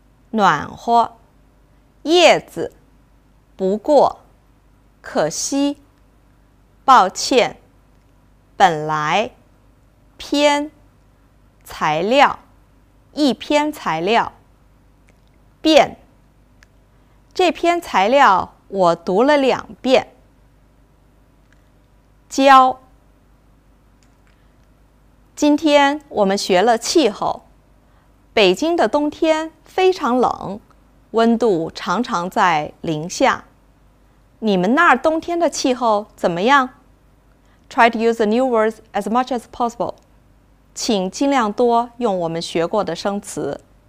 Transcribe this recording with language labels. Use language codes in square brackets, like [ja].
[zh] 暖和，叶子，不过，可惜，抱歉，本来，偏，材料，一篇材料，变，这篇材料我读了两遍，教。今天我们学了气候，北京的冬天非常冷，温度常常在零下。你们那儿冬天的气候怎么样？ [en] Try to use the new words as much as possible. [zh] 请尽量多用我们学过的生词。